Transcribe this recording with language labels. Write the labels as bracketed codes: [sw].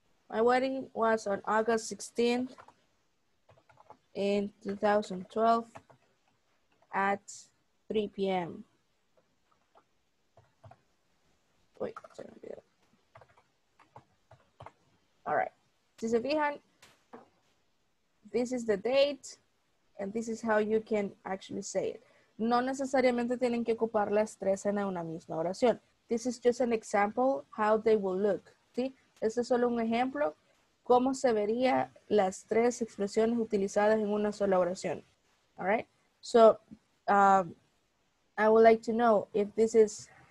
[en] My wedding was on August 16th in 2012 at 3 p.m. Wait, all right. [es] Si se fijan, [en] this is the date, and this is how you can actually say it. [es] No necesariamente tienen que ocupar las tres en una misma oración. [en] This is just an example how they will look. [es] ¿Sí? Este es solo un ejemplo cómo se vería las tres expresiones utilizadas en una sola oración. [en] All right. So, I would like to know if this is...